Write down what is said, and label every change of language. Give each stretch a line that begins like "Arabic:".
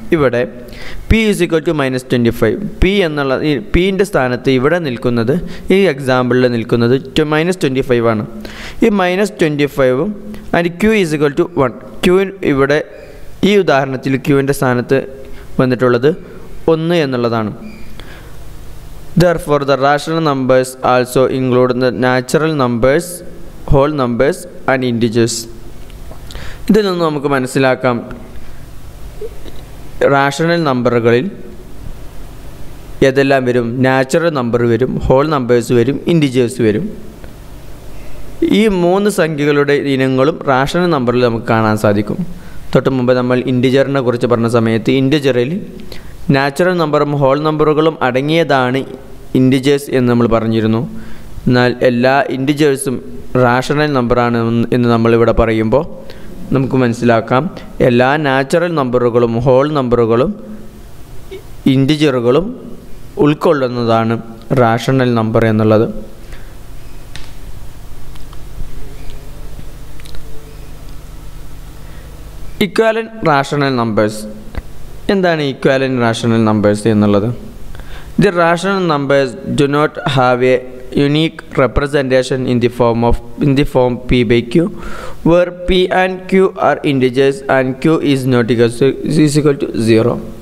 Malayalam: ഇവിടെ
English: P is equal to -25.
Malayalam: P എന്നുള്ള ഈ പിൻ്റെ സ്ഥാനത്ത് ഇവിടെ നിൽക്കുന്നത്, ഈ എക്സാമ്പിളിൽ നിൽക്കുന്നത് -25 ആണ്. ഈ -25
English: And Q is equal to 1.
Malayalam: Q ഇവിടെ ഈ ഉദാഹരണത്തിൽ ക്യൂവിൻ്റെ സ്ഥാനത്ത് വന്നിട്ടുള്ളത് 1 എന്നുള്ളതാണ്.
English: Therefore, the rational numbers also include the natural numbers, whole numbers and integers.
Malayalam: ഇതിൽ നിന്ന് നമുക്ക് മനസ്സിലാക്കാം റാഷണൽ നമ്പറുകളിൽ ഏതെല്ലാം വരും. നാച്ചുറൽ നമ്പർ വരും, ഹോൾ നമ്പേഴ്സ് വരും, ഇൻറ്റിജേഴ്സ് വരും. ഈ മൂന്ന് സംഖ്യകളുടെ ഇനങ്ങളും റാഷണൽ നമ്പറിൽ നമുക്ക് കാണാൻ സാധിക്കും. തൊട്ട് മുമ്പ് നമ്മൾ ഇൻറ്റിജറിനെ കുറിച്ച് പറഞ്ഞ സമയത്ത് ഇൻറ്റിജറിൽ നാച്ചുറൽ നമ്പറും ഹോൾ നമ്പറുകളും അടങ്ങിയതാണ് ഇൻറ്റിജേഴ്സ് എന്ന് നമ്മൾ പറഞ്ഞിരുന്നു. എന്നാൽ എല്ലാ ഇൻറ്റിജേഴ്സും റാഷണൽ നമ്പറാണ് എന്ന് നമ്മളിവിടെ പറയുമ്പോൾ നമുക്ക് മനസ്സിലാക്കാം എല്ലാ നാച്ചുറൽ നമ്പറുകളും ഹോൾ നമ്പറുകളും ഇൻറ്റിജറുകളും ഉൾക്കൊള്ളുന്നതാണ് റാഷണൽ നമ്പർ എന്നുള്ളത്.
English: Equivalent rational numbers.
Malayalam: എന്താണ് ഇക്വാലൻറ്റ് റാഷണൽ നമ്പേഴ്സ് എന്നുള്ളത്?
English: The rational numbers do not have a unique representation in the form of P by Q, where P and Q are integers and Q is not equal to, is equal to zero.